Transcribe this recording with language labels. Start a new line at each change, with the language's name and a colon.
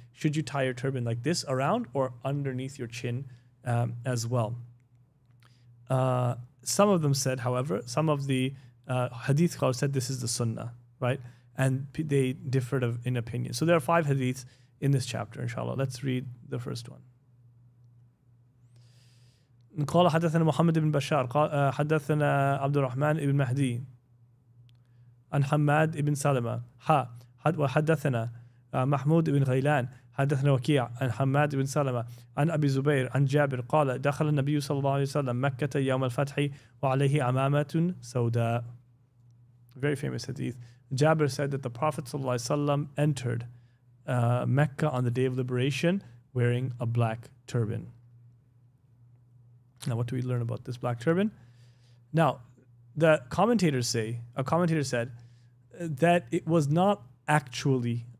English: Should you tie your turban like this around or underneath your chin as well? Some of them said, however, some of the hadith scholars said this is the sunnah, right? And they differed in opinion. So there are 5 hadiths in this chapter, inshallah. Let's read the first one.
Arabic: قال حدثنا محمد بن بشار قال حدثنا عبد الرحمن بن مهدي عن حماد بن سلمة ح وحدثنا محمود بن غيلان حدثنا وكيع عن حماد بن سلمة عن أبي زبير عن جابر قال دخل النبي صلى الله عليه وسلم مكة يوم الفتح وعليه عمامة سوداء.
English: Very famous hadith. Jabir said that the Prophet صلى الله عليه وسلم entered Mecca on the day of liberation wearing a black turban. Now, what do we learn about this black turban? Now, the commentators say, a commentator said, that it was not actually